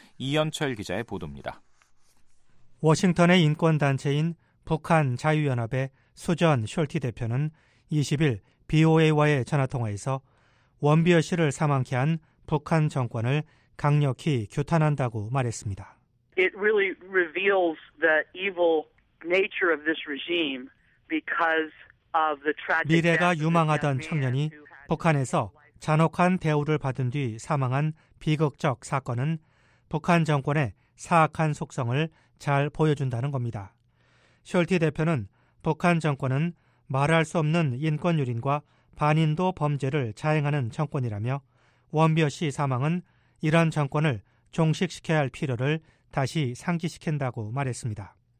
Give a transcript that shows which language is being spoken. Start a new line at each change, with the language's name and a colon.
Korean: 이현철 기자의 보도입니다. 워싱턴의 인권단체인 북한자유연합의 수전 숄티 대표는 20일 BOA와의 전화통화에서 원비어 씨를 사망케 한 북한 정권을 강력히 규탄한다고 말했습니다.
English: It really reveals the evil nature of this regime.
Korean: 미래가 유망하던 청년이 북한에서 잔혹한 대우를 받은 뒤 사망한 비극적 사건은 북한 정권의 사악한 속성을 잘 보여준다는 겁니다. 숄티 대표는 북한 정권은 말할 수 없는 인권 유린과 반인도 범죄를 자행하는 정권이라며 원비어 씨 사망은 이런 정권을 종식시켜야 할 필요를 다시 상기시킨다고 말했습니다.